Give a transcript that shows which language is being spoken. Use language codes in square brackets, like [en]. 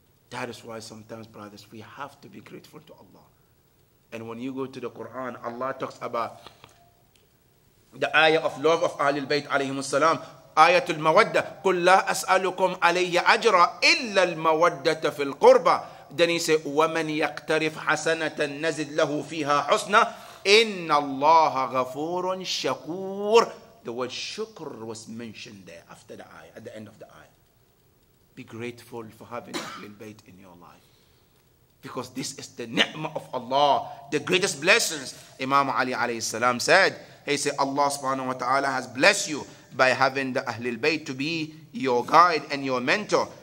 [en] That is why sometimes, brothers, we have to be grateful to Allah. And when you go to the Quran, Allah talks about the ayah of love of Ahlul Bayt alayhim as-salam, ayatul mawadda, [ar] قُلْ لَا أَسْأَلُكُمْ عَلَيَّ أَجْرًا إِلَّا الْمَوَدَّةَ فِي الْقُرْبَى. Then he said, وَمَنْ يَقْتَرِفْ حَسَنَةً نَزِدْ لَهُ فِيهَا حُسْنًا إِنَّ اللَّهَ غَفُورٌ شَكُورٌ. [en] The word shukr was mentioned there after the ayah, at the end of the ayah. Be grateful for having Ahlul Bayt in your life. Because this is the ni'mah of Allah, the greatest blessings. Imam Ali alayhi salam said, he said, Allah subhanahu wa ta'ala has blessed you by having the Ahlul Bayt to be your guide and your mentor.